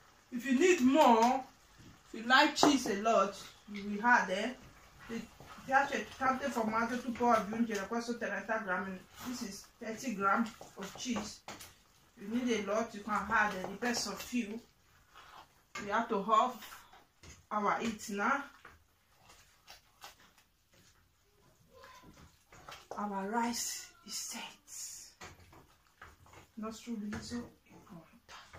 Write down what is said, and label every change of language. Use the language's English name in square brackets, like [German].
[English] If you need more, if you like cheese a lot, you will add it. [Italian] Ti piace tanto formaggio, tu puoi aggiungere questo 30 grammi. [English] This is 30 grams of cheese. If you need a lot, you can add it. Depends on few. We have to half our eat now. Our rice is set. [Italian] Nostro riso è pronto.